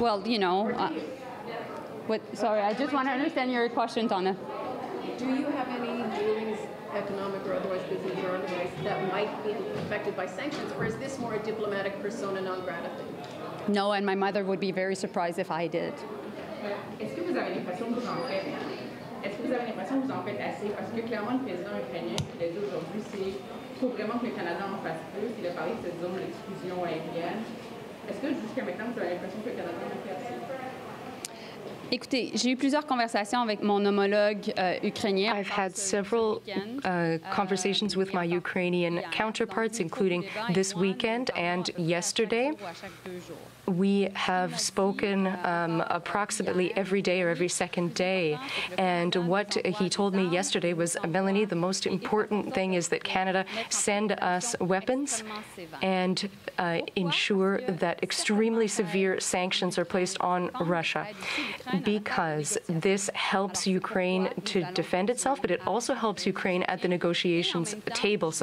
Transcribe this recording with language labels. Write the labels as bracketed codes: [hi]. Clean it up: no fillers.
[en] Well, you know, I just want to understand your question, Donna. Do you have any dealings, economic or otherwise, business or otherwise, that might be affected by sanctions, or is this more a diplomatic persona non grata thing? No, and my mother would be very surprised if I did. [fr] Est-ce que vous avez l'impression que vous en faites assez? Parce que clairement, le président ukrainien, il a dit aujourd'hui, c'est faut vraiment que le Canada en fasse plus. Il a parlé de cette zone d'exclusion aérienne. Est-ce que jusqu'à maintenant, vous avez l'impression que le Canada a fait assez? Écoutez, j'ai eu plusieurs conversations avec mon homologue ukrainien. [en] I've had several conversations with my Ukrainian counterparts, including this weekend and yesterday. We have spoken approximately every day or every second day. And what he told me yesterday was, Melanie, the most important thing is that Canada send us weapons and ensure that extremely severe sanctions are placed on Russia, because this helps Ukraine to defend itself, but it also helps Ukraine at the negotiations table.